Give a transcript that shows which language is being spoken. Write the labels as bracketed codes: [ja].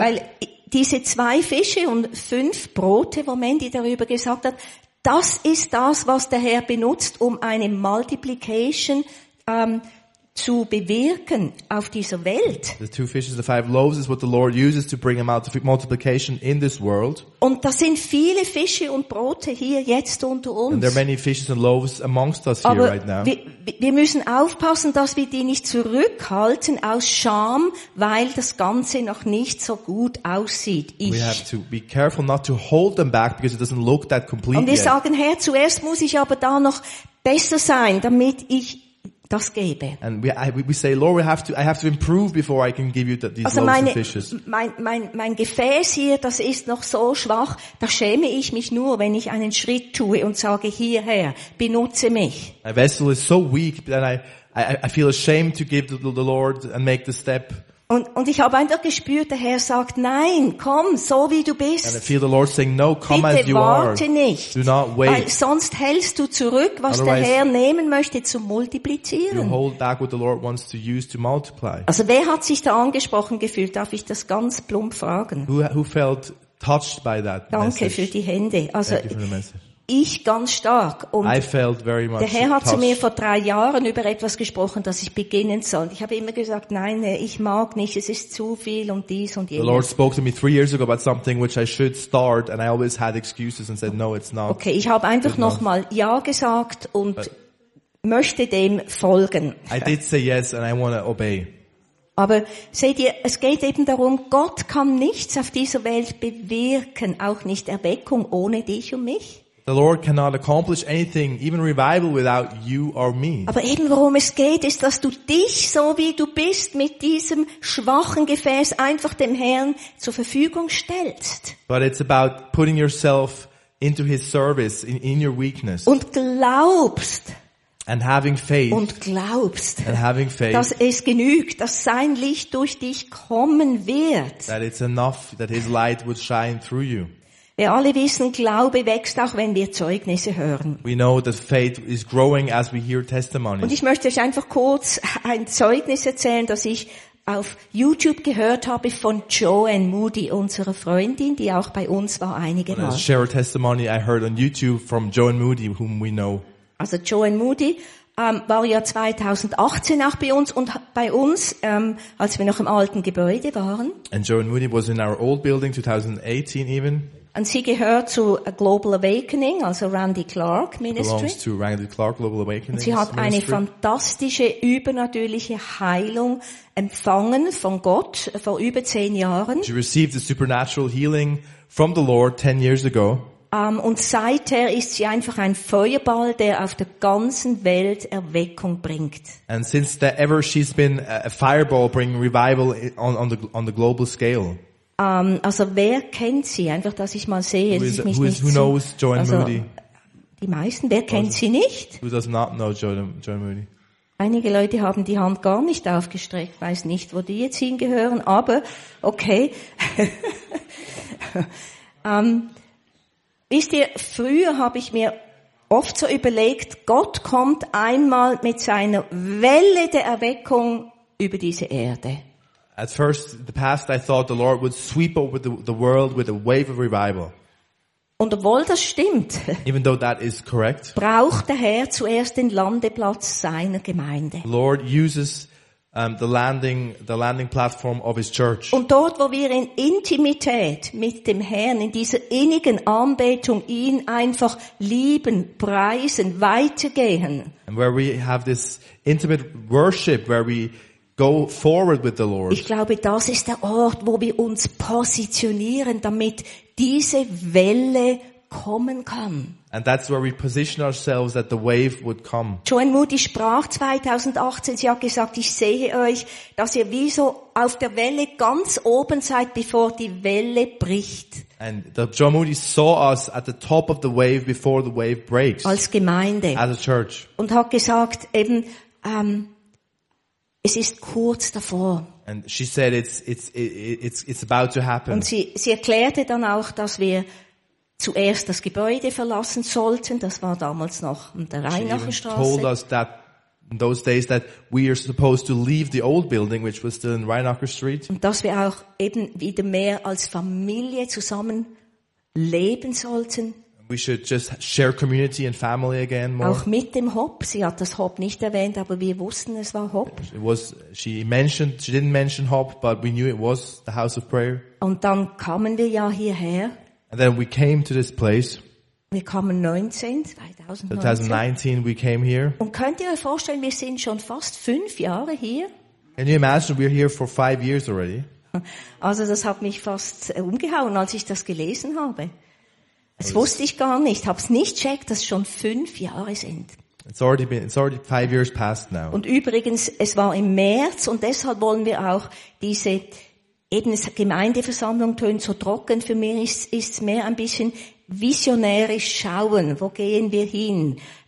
[de] Weil diese zwei Fische und fünf Brote, wo Mandy darüber gesagt hat, das ist das, was der Herr benutzt, um eine Multiplication zu bewirken auf dieser Welt. [en] The two fishes, the five loaves is what the Lord uses to bring about the multiplication in this world. [de] Und da sind viele Fische und Brote hier jetzt unter uns. [en] And there are many fishes and loaves amongst us here. [de] Aber [en] right now. [de] Wir müssen aufpassen, dass wir die nicht zurückhalten aus Scham, weil das Ganze noch nicht so gut aussieht. [en] We have to be careful not to hold them back because it doesn't look that complete. [de] Und wir [en] yet. [de] Sagen, Herr, zuerst muss ich aber da noch besser sein, damit ich das gebe. [en] And we say, Lord, I have to improve before I can give you these loaves and fishes. [de] Also mein Gefäß hier, das ist noch so schwach, da schäme ich mich nur, wenn ich einen Schritt tue und sage, hierher, benutze mich. [en] My vessel is so weak that I feel ashamed to give the Lord and make the step. [de] Und ich habe einfach gespürt, der Herr sagt, nein, komm, so wie du bist. [en] And I feel the Lord saying, no, come [de] bitte [en] as you [de] warte [en] are. [de] Nicht. [en] Do not wait. [de] Weil sonst hältst du zurück, was [en] otherwise, [de] der Herr nehmen möchte, zu multiplizieren. [en] You hold back what the Lord wants to use to multiply. [de] Also wer hat sich da angesprochen gefühlt? Darf ich das ganz plump fragen? [en] Who felt touched by that [de] danke [en] message? [de] Für die Hände. Also ich ganz stark. Und [en] I felt very much [de] der Herr hat [en] touched. [de] Zu mir vor 3 Jahren über etwas gesprochen, das ich beginnen soll. Ich habe immer gesagt, nein, ich mag nicht, es ist zu viel und dies und jenes. [en] The Lord spoke to me 3 years ago about something which I should start and I always had excuses and said, no, it's not. [de] Okay, ich habe einfach nochmal Ja gesagt und [en] but [de] möchte dem folgen. [en] I did say yes and I want to obey. [de] Aber seht ihr, es geht eben darum, Gott kann nichts auf dieser Welt bewirken, auch nicht Erweckung ohne dich und mich. [en] The Lord cannot accomplish anything, even revival, without you or me. [de] Aber eben worum es geht, ist, dass du dich, so wie du bist, mit diesem schwachen Gefäß einfach dem Herrn zur Verfügung stellst. [en] But it's about putting yourself into his service, in your weakness. [de] Und glaubst. [en] And having faith. [de] Und glaubst. [en] And having faith. [de] Dass es genügt, dass sein Licht durch dich kommen wird. [en] That it's enough, that his light would shine through you. [de] Wir alle wissen, Glaube wächst auch, wenn wir Zeugnisse hören. [en] We know that faith is growing as we hear testimonies. [de] Und ich möchte euch einfach kurz ein Zeugnis erzählen, das ich auf YouTube gehört habe von Joanne Moody, unserer Freundin, die auch bei uns war einige Mal. [en] Share a testimony I heard on YouTube from Joanne Moody, whom we know. [de] Also Joanne Moody war ja 2018 auch bei uns und bei uns, als wir noch im alten Gebäude waren. [en] And Joanne Moody was in our old building 2018 even. [de] Und sie gehört zu A Global Awakening, also Randy Clark Ministry. [en] Belongs to Randy Clark Global Awakening. [de] Und sie hat eine fantastische, übernatürliche Heilung empfangen von Gott vor über 10 Jahren. [en] She received a supernatural healing from the Lord 10 years ago. [de] Und seither ist sie einfach ein Feuerball, der auf der ganzen Welt Erweckung bringt. [en] And since that ever she's been a fireball bringing revival on the global scale. [de] Also wer kennt sie? Einfach, dass ich mal sehe, [en] Moody? [de] Die meisten, wer kennt sie nicht? [en] Who does not know Joanne Moody? [de] Einige Leute haben die Hand gar nicht aufgestreckt, weiß nicht, wo die jetzt hingehören, aber okay. wisst ihr, früher habe ich mir oft so überlegt, Gott kommt einmal mit seiner Welle der Erweckung über diese Erde. [en] At first, in the past, I thought the Lord would sweep over the world with a wave of revival. [de] Und obwohl das stimmt, [en] even though that is correct, [de] braucht der Herr zuerst den Landeplatz seiner Gemeinde. [en] The Lord uses the landing platform of his church. [de] Und dort, wo wir in Intimität mit dem Herrn, in dieser innigen Anbetung, ihn einfach lieben, preisen, weitergehen. [en] And where we have this intimate worship, where we go forward with the Lord. [de] Ich glaube, das ist der Ort, wo wir uns positionieren, damit diese Welle kommen kann. [en] And that's where we position ourselves that the wave would come. [de] Joanne Moody sprach 2018, sie hat gesagt, ich sehe euch, dass ihr wie so auf der Welle ganz oben seid, bevor die Welle bricht. [en] And Joanne Moody saw us at the top of the wave before the wave breaks. [de] Als Gemeinde. [en] As a church. [de] Und hat gesagt, eben, es ist kurz davor. [en] And she said it's about to happen. [de] Und sie erklärte dann auch, dass wir zuerst das Gebäude verlassen sollten. Das war damals noch an der Rheinacherstraße. [en] Told us that in those days that we are supposed to leave the old building, which was still in Rheinacher Street. [de] Und dass wir auch eben wieder mehr als Familie zusammen leben sollten. [en] We should just share community and family again more. [de] Auch mit dem Hop. Sie hat das Hop nicht erwähnt, aber wir wussten, es war Hop. [en] It was, she didn't mention Hop, but we knew it was the house of prayer. [de] Und dann kamen wir ja hierher. [en] And then we came to this place. [de] Wir kamen 2019. [en] 2019 we came here. [de] Und könnt ihr euch vorstellen, wir sind schon fast 5 Jahre hier? [en] Can you imagine we're here for 5 years already? [de] Also das hat mich fast umgehauen, als ich das gelesen habe. Das wusste ich gar nicht, hab's nicht checkt, dass schon 5 Jahre sind. [en] It's already 5 years past now. [de] Und übrigens, es war im März und deshalb wollen wir auch diese eben Gemeindeversammlung tönt so trocken, für mich ist's mehr ein bisschen visionärisch schauen, wo gehen wir hin?